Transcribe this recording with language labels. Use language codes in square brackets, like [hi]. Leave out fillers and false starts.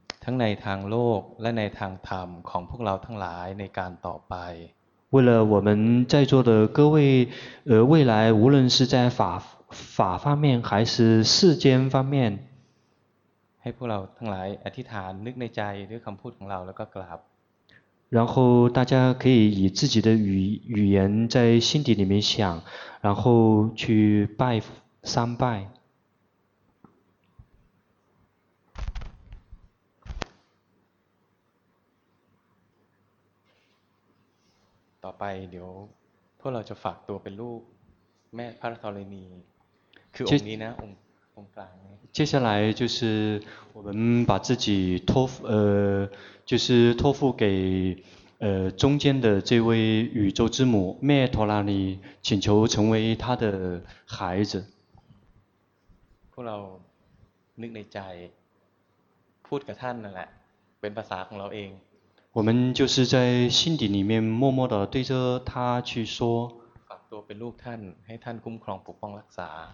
[th] ทั้งในทางโลกและในทางธรรมของพวกเราทั้งหลายในการต่อไป [zh] 为了我们在座的各位未来无论是在法方面还是世间方面 [th] ให้พวกเราทั้งหลายอธิษฐานนึกในใจด้วยคำพูดของเราแล้วก็กราบ [zh] 然后大家可以以自己的 语言在心底里面想然后去拜三拜 [th] ต่อไปเดี๋ยวพวกเราจะฝากตัวเป็นลูกแม่พระธรณีคือองค์นี้นะองค์กลาง [zh] 接下来就是我们把自己托付就是托付给中间的这位宇宙之母咩陀拉尼请求成为他的孩子 [th] พวกเรานึกในใจพูดกับท่านนั่นแหละเป็นภาษาของเราเอง [zh] 我们就是在心底里面默默地对着他去说 [th] ฝากตัวเป็นลูกท่านให้ท่านคุ้มครองปกป้องรักษา